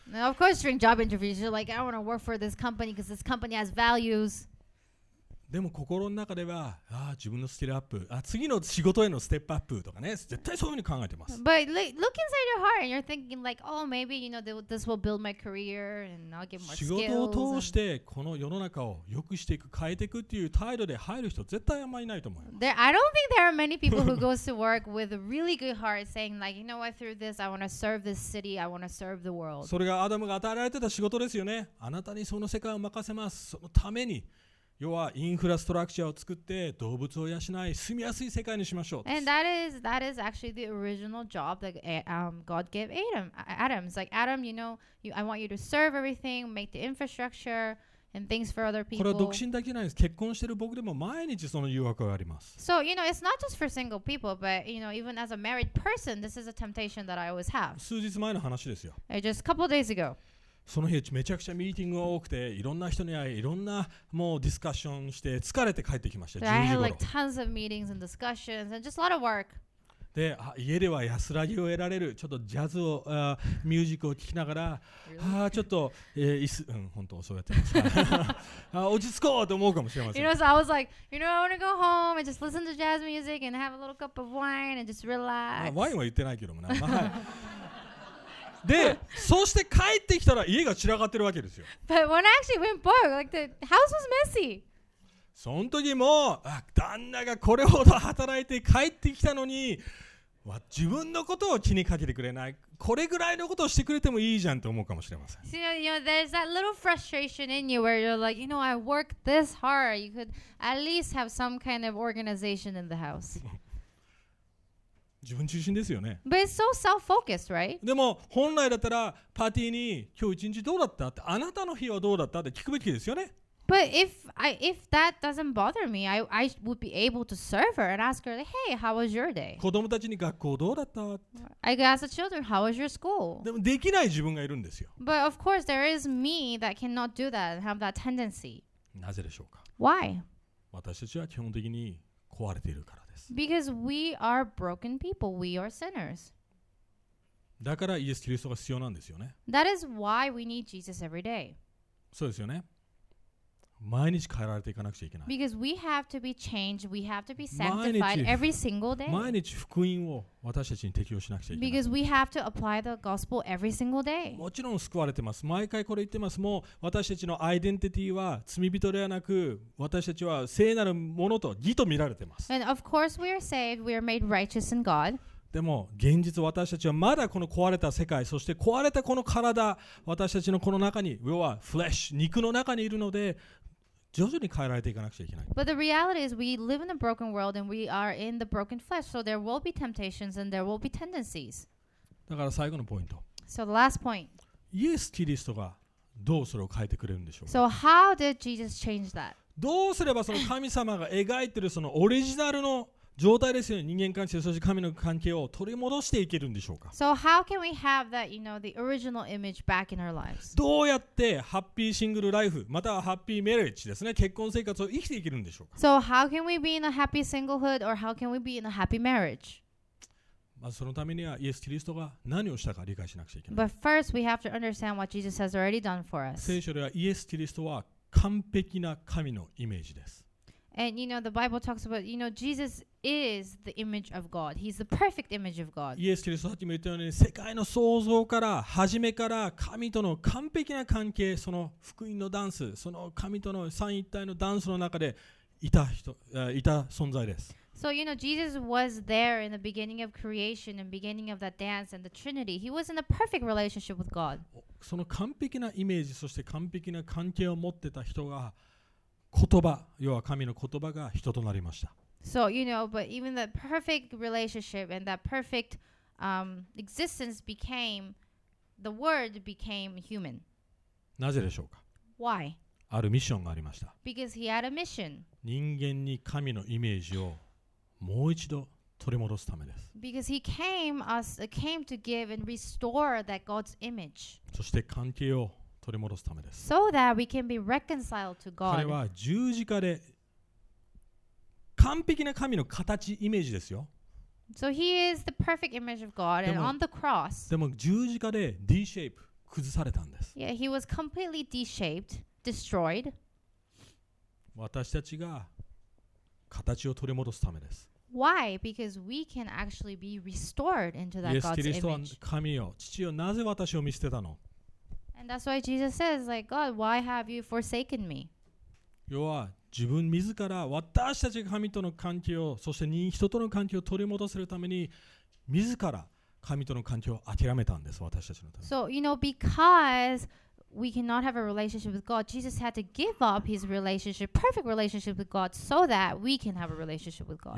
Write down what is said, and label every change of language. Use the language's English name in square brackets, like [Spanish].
[English] Now, of course, during job interviews, you're like, I want to work for this company because this company has values. [Japanese] でも心の中では、ああ自分のスキルアップ、あ次の仕事へのステップアップとかね、絶対そういうふうに考えてます。 [English] But look inside your heart and you're thinking like, oh maybe you know this will build my career and I'll get more skills. [Japanese] 仕事を通してこの世の中を良くしていく、変えていくっていう態度で入る人絶対あんまりいないと思います。 [English] There, I don't think there are many people who goes to work with a really good heart, saying like, you know what, through this, I want to serve this city, I want to serve the world. [Japanese] それがアダムが与えられてた仕事ですよね。あなたにその世界を任せます。そのために。要はインフラストラクチャーを作って動物を養い住みやすい世界にしましょう。 [English] And that is actually the original job that God gave Adam. It's like Adam, you know, I want you to serve everything, make the infrastructure and things for other people. [Japanese] これは独身だけなんです。結婚してる僕でも毎日その誘惑があります。 [English] So you know, it's not just for single people, but you know, even as a married person, this is a temptation that I always have. [Japanese] 数日前の話ですよ。 [English] Just a couple days ago. [Japanese] その日めちゃくちゃミーティングが多くて、いろんな人に会い、いろんなもうディスカッションして疲れて帰ってきました。 [English] I had like tons of meetings and discussions and just a lot of work. [Japanese] で、家では安らぎを得られる、ちょっとジャズを、ミュージックを聴きながら、 [English] really? [Japanese] あちょっと、椅子、うん、本当そうやってます。落ち着こうと思うかもしれません。 [English] You know, so I was like, you know, I want to go home and just listen to jazz music and have a little cup of wine and just relax. [Japanese] ワインは言ってないけどもな。まあで、そして帰ってきたら家が散らかってるわけですよ。 [English] But when I actually went back, like the house was messy. [Japanese] その時も、旦那がこれほど働いて帰ってきたのに、自分のことを気にかけてくれない。これぐらいのことをしてくれてもいいじゃんと思うかもしれません。 [English] So, you know, there's that little frustration in you where you're like, you know, I work this hard. You could at least have some kind of organization in the house. [Japanese] 自分中心ですよね。 [English] But it's so self-focused, right? [Japanese] でも本来だったらパーティーに今日一日どうだったって、あなたの日はどうだったって聞くべきですよね。 [English] But if that doesn't bother me, I would be able to serve her and ask her, hey, how was your day? [Japanese] 子供たちに学校どうだったって [English] 。I could ask the children, how was your school? [Japanese] でもできない自分がいるんですよ。 [English] But of course, there is me that cannot do that and have that tendency. [Japanese] なぜでしょうか? [English] Why? [Japanese] 私たちは基本的に壊れているから。 [English] Because we are broken people, we are sinners. [Japanese] だからイエス・キリストが必要なんですよね。 [English] That is why we need Jesus every day. [Japanese] そうですよね。毎日変えられていかなくちゃいけない。 [English] Because we have to be changed, we have to be sanctified every single day. [Japanese] 毎日福音を私たちに適用しなくちゃいけない。 [English] Because we have to apply the gospel every single day. [Japanese] もちろん救われてます。毎回これ言ってます。もう私たちのアイデンティティは罪人ではなく、私たちは聖なるものと義と見られてます。 [English] And of course we are saved, we are made righteous in God. [Japanese] でも現実私たちはまだこの壊れた世界、そして壊れたこの体、私たちのこの中に、要はフレッシュ、肉の中にいるので、徐々に変えられていかなくちゃいけない。 [English] But the reality is we live in a broken world and we are in the broken flesh, so there will be temptations and there will be tendencies. [Japanese] だから最後のポイント。 [English] So the last point. [Japanese] イエス・キリストがどうそれを変えてくれるんでしょうか。 [English] So how did Jesus change that? [Japanese] どうすればその神様が描いているそのオリジナルの状態ですよね。人間関係、そして神の関係を取り戻していけるんでしょうか。 [English] So how can we have that, you know, the original image back in our lives? [Japanese] どうやってハッピーシングルライフ、またはハッピーマリッジですね、結婚生活を生きていけるんでしょうか。 [English] So how can we be in a happy singlehood or how can we be in a happy marriage? [Japanese] まずそのためにはイエス・キリストが何をしたか理解しなくちゃいけない。 [English] But first we have to understand what Jesus has already done for us. [Japanese] 聖書ではイエス・キリストは完璧な神のイメージです。 [English] And you know, the Bible talks about, you know, Jesus is the image of God. He's the perfect image of God. [Japanese] イエス・キリストさっきも言ったように、世界の創造から、初めから、神との完璧な関係、その福音のダンス、その神との三一体のダンスの中でいた存在です。 [English] So, you know, Jesus was there in the beginning of creation and beginning of that dance and the Trinity. He was in a perfect relationship with God. [Japanese] その完璧なイメージ、そして完璧な関係を持ってた人が、言葉、要は神の言葉が人となりました。 [English] So, you know, but even that perfect relationship and that perfect, existence became, the word became human. [Japanese] なぜでしょうか? [English] Why? [Japanese] あるミッションがありました。 [English] Because he had a mission. [Japanese] 人間に神のイメージをもう一度取り戻すためです。 [English] Because he came to give and restore that God's image. [Japanese] そして関係を取り戻すためです。 [English] So that we can be reconciled to God. [Japanese] 彼は十字架で完璧な神の形イメージですよ。 [English] So he is the perfect image of God and on the cross. [Japanese] でも十字架で D shape 崩されたんです。 [English] Yeah, he was completely D shaped, destroyed. [Japanese] 私たちが形を取り戻すためです。 [English] Why? Because we can actually be restored into that God's image. [Japanese] イエス・キリストは神よ、父よ、なぜ私を見捨てたの？ [English] And that's why Jesus says, like, God, why have you forsaken me? [Japanese] 要は自分自ら私たちが神との関係を、そして人との関係を取り戻せるために自ら神との関係を諦めたんです、私たちのために。 [English] So, you know, because we cannot have a relationship with God, Jesus had to give up his relationship, perfect relationship with God, so that we can have a relationship with God.